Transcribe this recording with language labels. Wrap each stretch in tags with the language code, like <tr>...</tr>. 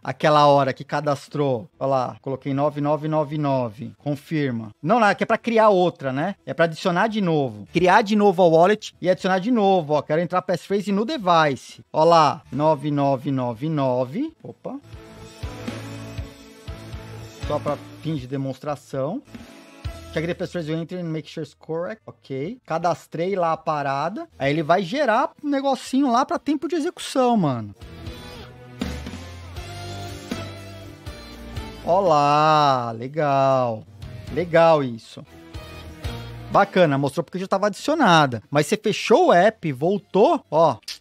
<pt>Aquela hora que cadastrou. Olha lá, coloquei 9999. Confirma. Não, não, aqui é pra criar outra, né? É pra adicionar de novo. Criar de novo a wallet e adicionar de novo, ó. Quero entrar a passphrase no device. Olha lá, 9999. Opa. Só para fins de demonstração.</pt> <en>Check the password you enter and make sure it's correct.</en> <pt>Ok. Cadastrei lá a parada. Aí ele vai gerar um negocinho lá pra tempo de execução, mano. Olá, legal. Legal isso. Bacana, mostrou porque já estava adicionada. Mas você fechou o app, voltou, ó.</pt>